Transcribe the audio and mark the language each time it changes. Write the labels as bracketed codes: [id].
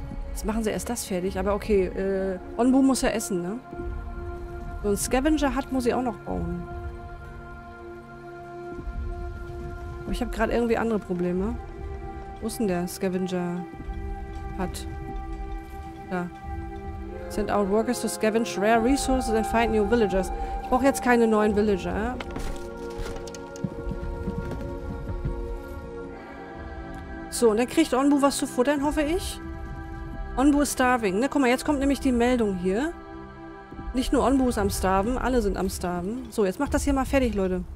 [de] Jetzt machen sie erst das fertig. Aber okay, Onbu muss ja essen, ne? So ein Scavenger hat, muss ich auch noch bauen. Aber ich habe gerade irgendwie andere Probleme. Wo ist denn der Scavenger hat? Da. [en] Send out workers to scavenge rare resources and find new villagers. [de] Ich brauche jetzt keine neuen Villager. So, und dann kriegt Onbu was zu futtern, hoffe ich. Onbu ist starving. Na, guck mal, jetzt kommt nämlich die Meldung hier. Nicht nur Onbu ist am starven, alle sind am starven. So, jetzt macht das hier mal fertig, Leute.